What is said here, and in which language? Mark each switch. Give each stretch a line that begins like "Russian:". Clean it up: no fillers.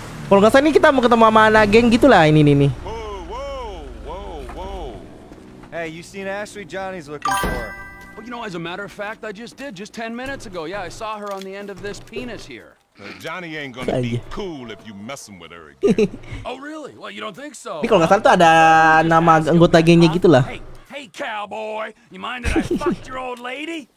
Indonesian: Kalau nggak salah ini kita mau ketemu sama anak geng gitulah ini.
English: Hey, you seen Ashley Johnny's looking for? Well, you know, as a matter of fact, I just did, just 10 minutes ago. Yeah, I saw her on the end of this penis here. Johnny ain't gonna be cool if you messing with her again. Oh really? Well, you don't think so?
Indonesian: Ini kalau nggak salah tuh ada nama anggota gengnya gitulah.
English: Hey, cowboy, you mind that I fucked your old lady?